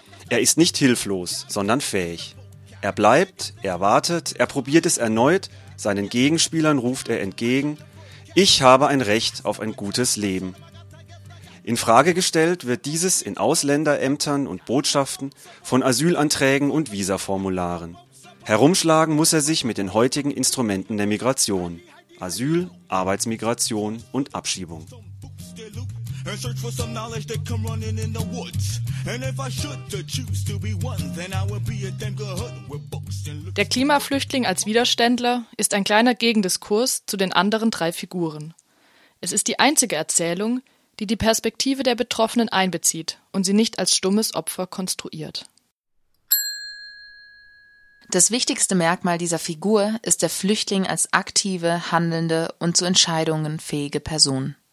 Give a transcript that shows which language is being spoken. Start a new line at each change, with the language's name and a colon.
German: Er ist nicht hilflos, sondern fähig. Er bleibt, er wartet, er probiert es erneut, seinen Gegenspielern ruft er entgegen: Ich habe ein Recht auf ein gutes Leben. In Frage gestellt wird dieses in Ausländerämtern und Botschaften, von Asylanträgen und Visaformularen. Herumschlagen muss er sich mit den heutigen Instrumenten der Migration: Asyl, Arbeitsmigration und Abschiebung.
English: And search for some knowledge that come running in the woods. And if I should choose to be one, then I would be a damn good hood with books.
German: Der Klimaflüchtling als Widerständler ist ein kleiner Gegendiskurs zu den anderen drei Figuren. Es ist die einzige Erzählung, die die Perspektive der Betroffenen einbezieht und sie nicht als stummes Opfer konstruiert. Das wichtigste Merkmal dieser Figur ist der Flüchtling als aktive, handelnde und zu Entscheidungen fähige Person.